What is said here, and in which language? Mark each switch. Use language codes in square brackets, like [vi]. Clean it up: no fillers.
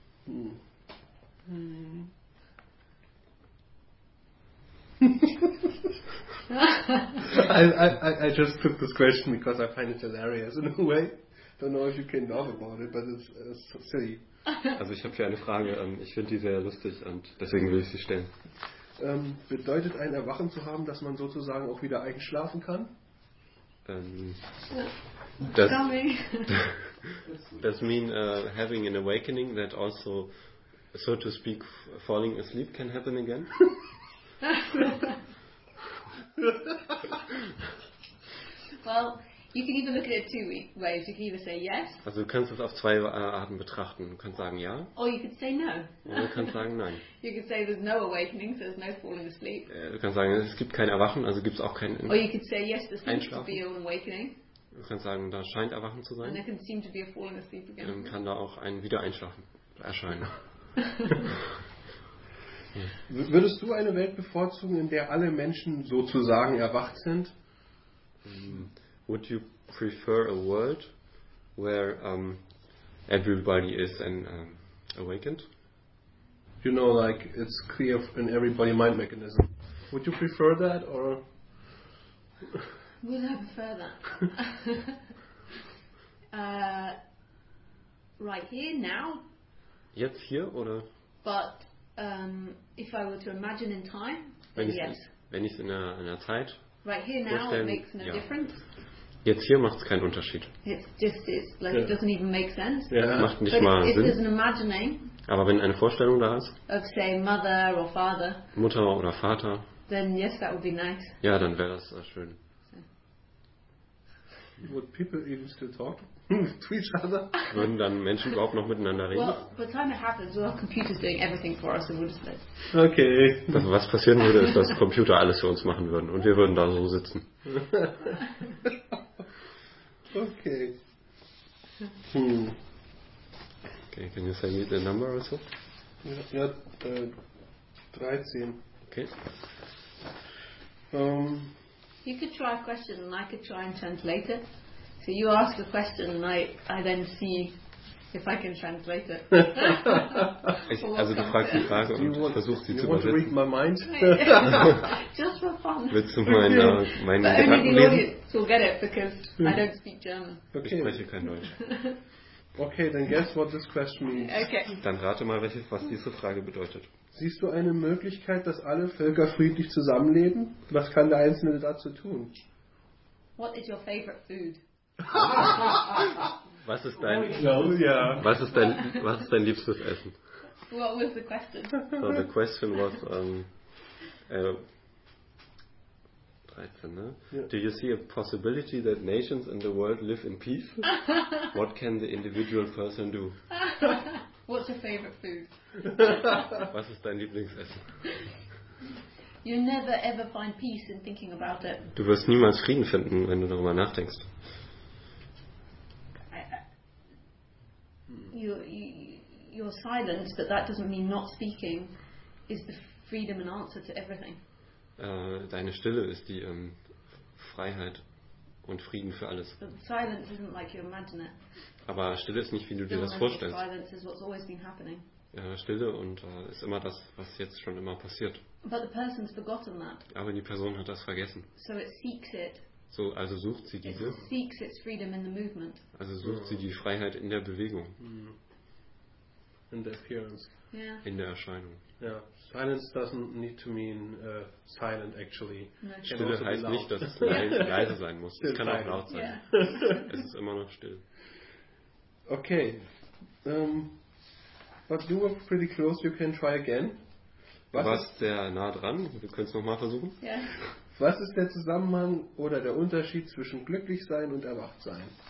[en] I just took this question because I find it hilarious in a way. don't know if you can talk about it, but it's so silly. [de] Also ich habe hier eine Frage, ich finde die sehr lustig und deswegen will ich sie stellen. Bedeutet ein Erwachen zu haben, dass man sozusagen auch wieder einschlafen kann? [en] Does mean having an awakening that also, so to speak, falling asleep can happen again? Well, you can even look at it two ways. You can either say yes. [de] Also du kannst es auf zwei Arten betrachten. Du kannst sagen ja. [en] Or you could say no. [de] Oder du kannst sagen nein. [en] You could say there's no awakening, so there's no falling asleep. [de] Du kannst sagen, es gibt kein Erwachen, also gibt es auch kein Einschlafen. [en] Or you could say yes, there seems to be an awakening. [de] Du kannst sagen, da scheint Erwachen zu sein. [en] And there can seem to be a falling asleep again. [de] Dann kann da auch ein Wiedereinschlafen erscheinen. Würdest du eine Welt bevorzugen, in der alle Menschen sozusagen erwacht sind? [en] Would you prefer a world where everybody is awakened? You know, like it's clear in everybody mind mechanism. Would you prefer that or? Would I prefer that? right here, now? [de] Jetzt hier oder? [en] But if I were to imagine in time, [de] wenn [en] then yes. [de] Wenn ich es in einer Zeit. [en] Right here now, it makes no difference. [de] Jetzt hier macht es keinen Unterschied. [en] It's just, it's like, yeah. It doesn't even make sense. Yeah. Yeah. [de] Macht nicht [en] But [de] mal Sinn. [en] An imagining, [de] aber wenn eine Vorstellung da ist, [en] of say mother or father, [de] Mutter oder Vater, [en] then yes, that would be nice. [de] Ja, dann wäre das schön. [en] Would people even still talk to each other? [de] Würden dann Menschen überhaupt noch miteinander reden? [en] Well, by the time it happens, our computer's doing everything for us, and we'll just like... Okay. [de] Das, was passieren würde, ist, dass Computer alles für uns machen würden, und wir würden da so sitzen. [en] Okay. Okay, can you send me the number also? [de] Ja, 13. [en] Okay. You could try a question and I could try and translate it. So you ask a question and I then see if I can translate it. [de] Also du fragst die Frage und versuchst sie zu übersetzen. [en] You want to read my mind? Just for fun. [de] Willst du meine Gedanken lesen? [en] But only the audience will get it because I don't speak German. Okay. [de] Ich spreche kein Deutsch. [en] Okay, then guess what this question means. Okay. [de] Dann rate mal, was diese Frage bedeutet. Siehst du eine Möglichkeit, dass alle Völker friedlich zusammenleben? Was kann der Einzelne dazu tun? [en] What is your favorite food? [de] Was ist dein liebstes Essen? [en] What was the question? So the question was 13, ne? Yeah. Do you see a possibility that nations in the world live in peace? What can the individual person do? What's your favorite food? [de] Was ist dein Lieblingsessen? [en] You never ever find peace in thinking about it. [de] Du wirst niemals Frieden finden, wenn du darüber nachdenkst. [en] Your silence, but that doesn't mean not speaking, is the freedom and answer to everything. [de] Deine Stille ist die Freiheit und Frieden für alles. [en] But silence isn't like you imagine it. [de] Aber Stille ist nicht, wie du dir das vorstellst. [en] Silence is what's always been happening. [de] Stille und ist immer das, was jetzt schon immer passiert. [en] But the person's forgotten that. [de] Aber die Person hat das vergessen. [en] So it seeks it. [de] So, also sucht sie diese. [en] It seeks its freedom in the movement. [de] Also sucht sie die Freiheit in der Bewegung. [en] In the appearance. Yeah. [de] In der Erscheinung. [en] Yeah. Silence doesn't need to mean silent, actually. No. [de] Stille heißt nicht, dass es leise sein muss. Still es kann silent. Auch laut sein. [en] Yeah. [de] Es ist immer noch still. [en] Okay. But you were pretty close, you can try again. [de] Was du warst sehr nah dran, wir können es nochmal versuchen. [en] Yeah. [de] Was ist der Zusammenhang oder der Unterschied zwischen glücklich sein und erwacht sein?